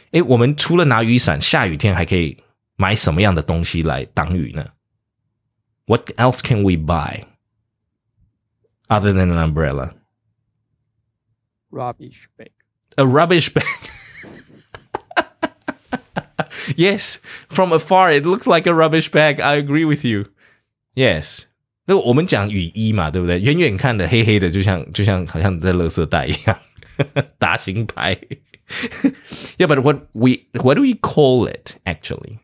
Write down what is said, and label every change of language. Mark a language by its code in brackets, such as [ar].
[zh] 我们除了拿雨伞，下雨天还可以买什么样的东西来挡雨呢？ [en] What else can we buy other than an umbrella? Rubbish bag. A rubbish bag. Yes, from afar, it looks like a rubbish bag. I agree with you. Yes. [zh] 那我们讲雨衣嘛，对不对？远远看的黑黑的，就像好像在垃圾袋一样。打行牌。 [en] Yeah, but what do we call it, actually?